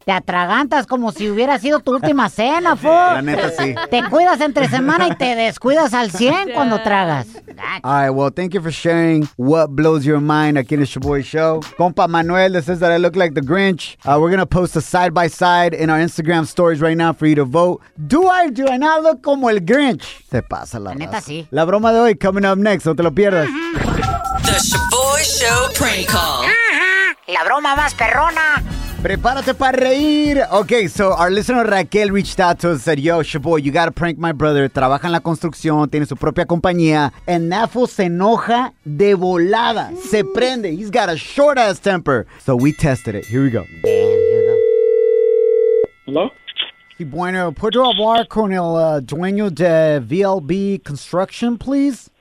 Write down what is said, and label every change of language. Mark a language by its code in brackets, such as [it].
[es] Te atragantas como si hubiera sido tu última cena, fo. La neta, sí. Te cuidas entre semana y te descuidas al 100 cuando tragas. [en] All right, well, thank you for sharing what blows your mind [es] aquí en el Shaboy Show. [en] Compa Manuel, this says that I look like the Grinch. We're going to post a side-by-side in our Instagram stories right now for you to vote. Do I not look [es] como el Grinch? Te pasa la neta, sí. La broma de hoy [en] coming up next. [es] No te lo pierdas. [en] The Shaboy Show prank call. [es] La broma más perrona. Prepárate para reír. [en] Okay, so our listener Raquel reached out to us and said, yo, Shaboy, you gotta prank my brother. [es] Trabaja en la construcción, tiene su propia compañía. And Nafo se enoja de volada. Se prende. [en] He's got a short ass temper. So we tested it. Here we go. Hello? [es] Sí, bueno, ¿puedo hablar con el dueño de VLB Construction, please?